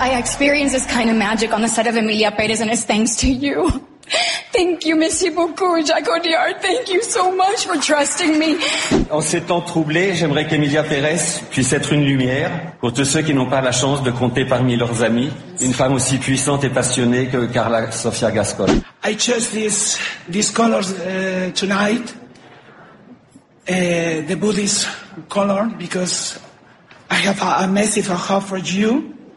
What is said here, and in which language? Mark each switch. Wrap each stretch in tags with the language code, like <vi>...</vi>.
<en>I experienced this kind of magic on the set of Emilia Perez, and it's thanks to you. Thank you,</en> <fr>merci beaucoup,</fr> <en>Jacques Audiard. Thank you so much for trusting me.</en> <fr>En ces temps troublés, j'aimerais qu'Emilia Perez puisse être une lumière pour tous ceux qui n'ont pas la chance de compter parmi leurs amis une femme aussi puissante et passionnée que Carla Sofia Gascon.</fr> <en>I chose these colors tonight, the Buddhist color, because I have a message I have for you.</en>